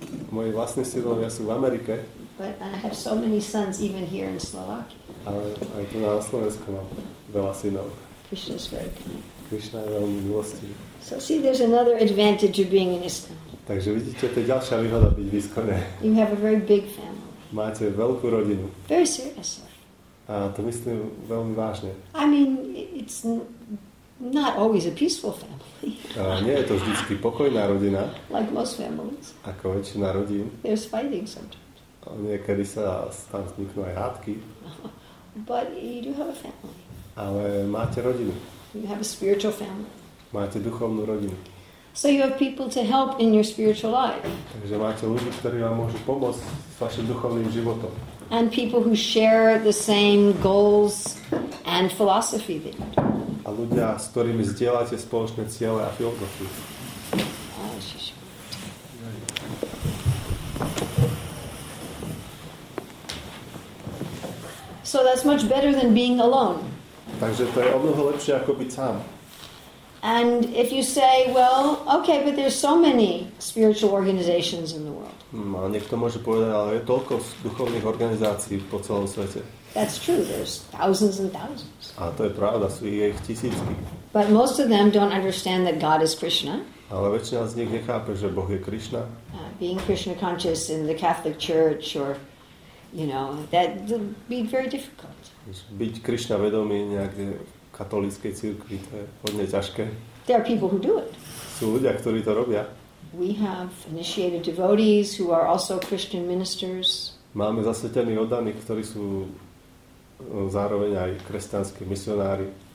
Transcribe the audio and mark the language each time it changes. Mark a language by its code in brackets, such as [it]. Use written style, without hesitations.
[sk] Moji vlastní synovia sú v Amerike. [en] But I have so many sons even here in Slovakia. [sk] Ale aj tu na Slovensku mám veľa synov. [en] Krishna is very kind. [sk] Krishna je veľmi milostivý. [en] So see, there's another advantage of being in ISKCON. [sk] Takže vidíte, to je ďalšia výhoda byť v ISKCONe. [en] You have a very big family. [sk] Máte veľkú rodinu. [en] Very seriously. [sk] A to myslím veľmi vážne. [en] I mean, it's not always a peaceful family. [sk] A nie je to vždycky pokojná rodina. [en] Like most families. [sk] Ako väčšina rodín. [en] There's fighting sometimes. [sk] A niekedy sa tam vzniknú aj hádky. [en] But you do have a family. [sk] Ale máte rodinu. [en] You have a spiritual family. [sk] Máte duchovnú rodinu. [en] So you have people to help in your spiritual life. [sk] Takže máte ľudí, ktorí vám môžu pomôcť s vašim duchovným životom. [en] And people who share the same goals and philosophy that you do. [sk] A ľudia, s ktorými zdieľate spoločné ciele a filozofiu. [en] So that's much better than being alone. [sk] Takže to je o mnoho lepšie ako byť sám. [en] And if you say, well, okay, but there's so many spiritual organizations in the world. [sk] No, niekto môže povedať, ale je toľko duchovných organizácií po celom svete. [en] That's true, there's thousands and thousands. [sk] A to je pravda, sú ich tisícky. [en] But most of them don't understand that God is Krishna. [sk] Ale väčšina z nich nechápe, že Boh je Krishna. [en] Being Krishna conscious in the Catholic Church or, you know, that would be very difficult. [sk] Byť Krishna vedomý nejaké katolíckej cirkvi, to je hodne ťažké. [en] There are people who do it. [sk] Sú ľudia, ktorí to robia. [en] We have initiated devotees who are also Christian ministers. [sk] Máme zasvetení oddaní, ktorí sú zároveň aj kresťanskí misionári.